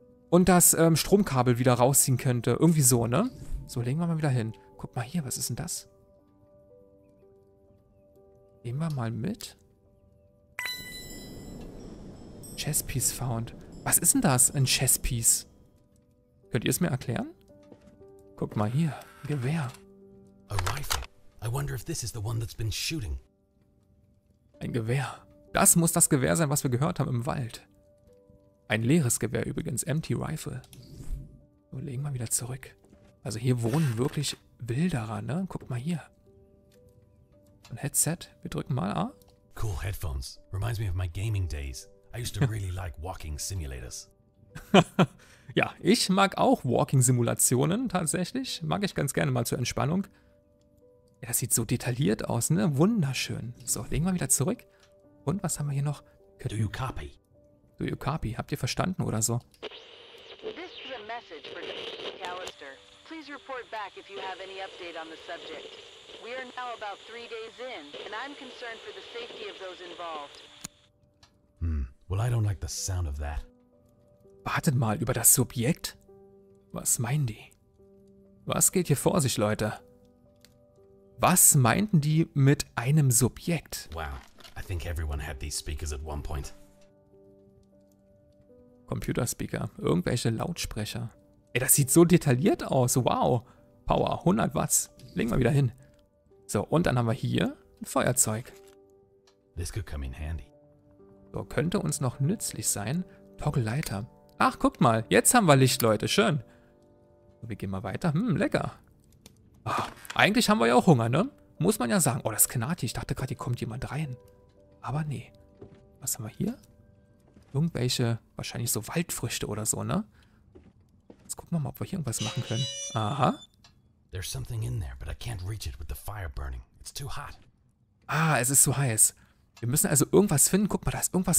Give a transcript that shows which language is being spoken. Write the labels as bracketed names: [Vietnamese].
[German] Und das Stromkabel wieder rausziehen könnte. Irgendwie so, ne? So, legen wir mal wieder hin. Guck mal hier, was ist denn das? Nehmen wir mal mit. [English] Chesspiece found. [German] Was ist denn das? Ein Chesspiece? Könnt ihr es mir erklären? Guck mal hier. Gewehr. [English] A rifle. I wonder if this is the one that's been shooting. [German] Ein Gewehr. Das muss das Gewehr sein, was wir gehört haben im Wald. Ein leeres Gewehr übrigens. [English] Empty rifle. [German] So, legen wir wieder zurück. Also hier wohnen wirklich Wilderer, ne? Guck mal hier. Ein Headset. Wir drücken mal A. [English] Cool. cool headphones. Reminds me of my gaming days. I used to really like walking simulators. [German] Ja, ich mag auch Walking-Simulationen tatsächlich. Mag ich ganz gerne mal zur Entspannung. Ja, das sieht so detailliert aus, ne? Wunderschön. So, legen wir wieder zurück. Und was haben wir hier noch? [English] Do you copy? Do you copy? [German] Habt ihr verstanden oder so? [English] This is a message for McAllister. Please report back if you have any update on the subject. We are now about 3 days in, and I'm concerned for the safety of those involved. Hm, well, I don't like the sound of that. [German] Wartet mal, über das Subjekt? Was meinen die? Was geht hier vor sich, Leute? Was meinten die mit einem Subjekt? [English] Wow, I think everyone had these speakers at one point. [German] Computerspeaker, irgendwelche Lautsprecher. Ey, das sieht so detailliert aus, wow. Power, 100 Watt, legen wir wieder hin. So, und dann haben wir hier ein Feuerzeug. [English] This could come in handy. [German] So, könnte uns noch nützlich sein. Toggle-Leiter. Ach, guckt mal, jetzt haben wir Licht, Leute, schön. So, wir gehen mal weiter, lecker. Ach, eigentlich haben wir ja auch Hunger, ne? Muss man ja sagen. Oh, das knarrt hier. Ich dachte gerade, hier kommt jemand rein. Aber nee. Was haben wir hier? Irgendwelche, wahrscheinlich so Waldfrüchte oder so, ne? Jetzt gucken wir mal, ob wir hier irgendwas machen können. Aha. [English] There's something in there, but I can't reach it with the fire burning. It's too hot. [German] Ah, es ist zu heiß. Wir müssen also irgendwas finden. Guck mal, da ist irgendwas